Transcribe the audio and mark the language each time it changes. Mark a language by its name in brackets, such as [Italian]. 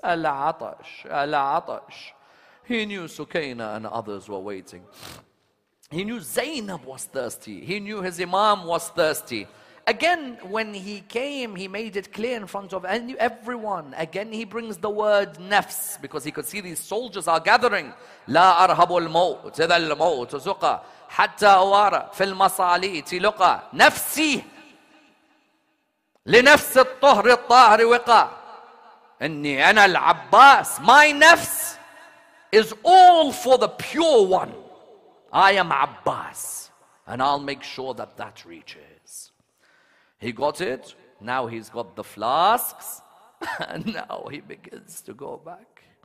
[English] Al-Atash, Al-Atash. He knew Sukaina and others were waiting. He knew Zainab was thirsty. He knew his imam was thirsty. Again, when he came, he made it clear in front of everyone. Again, he brings the word nafs because he could see these soldiers are gathering. [Arabic] لا أرهب الموت إذا الموت زقى حتى أوارى في المصالي تلقى نفسي لنفس الطهر الطاهر وقى إني أنا العباس. [English] My nafs is all for the pure one. I am Abbas and I'll make sure that that reaches. He got it. Now he's got the flasks. And now he begins to go back.